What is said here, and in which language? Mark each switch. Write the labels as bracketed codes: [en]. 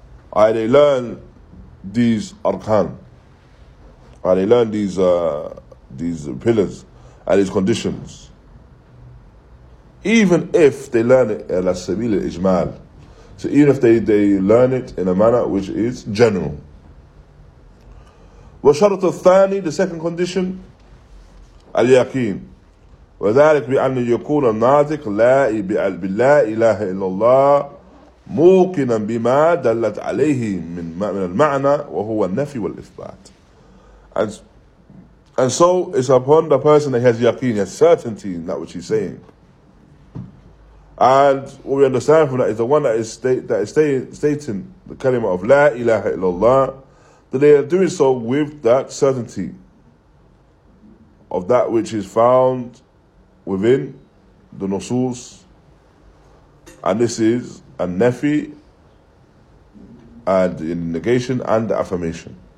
[en] Or they learn these arkan. Or they learn these pillars and these conditions. Even if they learn it ala sabil al-ijmal. So even if they learn it in a manner which is general. [ar] وشرط الثاني, [en] the second condition, [ar] اليقين. وذلك بأن يكون الناطق لا بالله إله إلا الله موقنا بما دلت عليه من المعنى وهو النفي والإثبات. [en] And so it's upon the person that he has yaqeen, he has certainty in that which he's saying. And what we understand from that is the one that is stating the kalima of لا إله إلا الله, that they are doing so with that certainty of that which is found within the Nusus, and this is a nafi and in negation and the affirmation.